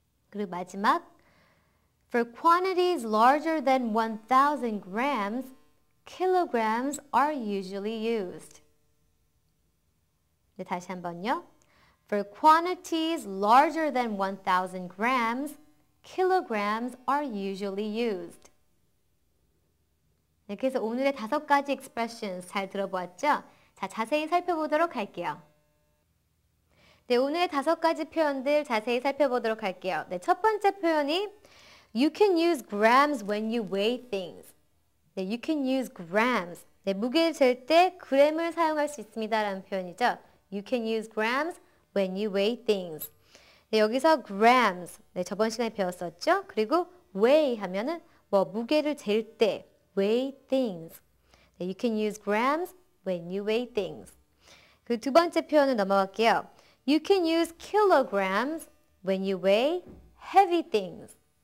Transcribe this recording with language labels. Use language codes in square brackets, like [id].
[ko] 그리고 마지막 [en] For quantities larger than 1,000 grams, kilograms are usually used. [ko] 네, 다시 한 번요. [en] For quantities larger than 1,000 grams, kilograms are usually used. [ko] 네, 그래서 오늘의 다섯 가지 expressions 잘 들어보았죠? 자, 자세히 살펴보도록 할게요. 네, 오늘의 다섯 가지 표현들 자세히 살펴보도록 할게요. 네, 첫 번째 표현이 [en] You can use grams when you weigh things. 네, you can use grams. [ko] 네, 무게를 잴 때 그램을 사용할 수 있습니다라는 표현이죠. [en] You can use grams when you weigh things. [ko] 네, 여기서 grams, 네, 저번 시간에 배웠었죠? 그리고 weigh 하면은 뭐 무게를 잴 때 weigh things. [en] 네, you can use grams when you weigh things. [ko] 그 두 번째 표현을 넘어갈게요. [en] You can use kilograms when you weigh heavy things.